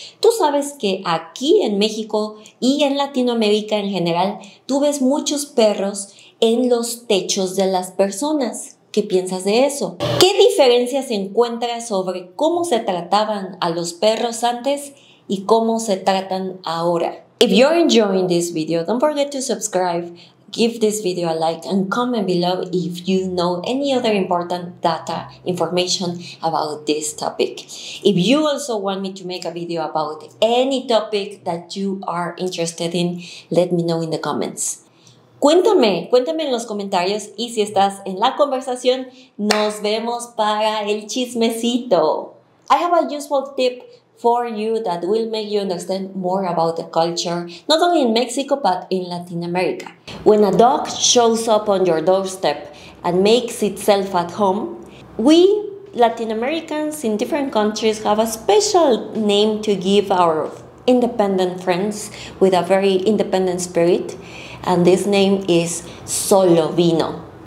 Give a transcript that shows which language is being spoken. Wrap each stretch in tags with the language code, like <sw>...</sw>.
<es>Tú sabes que aquí en México y en Latinoamérica en general, tú ves muchos perros en los techos de las personas. ¿Qué piensas de eso? ¿Qué diferencias encuentras sobre cómo se trataban a los perros antes y cómo se tratan ahora?</es> <en>If you're enjoying this video, don't forget to subscribe. Give this video a like and comment below if you know any other important data, information about this topic. If you also want me to make a video about any topic that you are interested in, let me know in the comments.</en> <es>Cuéntame en los comentarios y si estás en la conversación, nos vemos para el chismecito.</es> <en>I have a useful tip for you that will make you understand more about the culture, not only in Mexico, but in Latin America. When a dog shows up on your doorstep and makes itself at home, we Latin Americans in different countries have a special name to give our independent friends with a very independent spirit, and this name is Solo Vino.</en>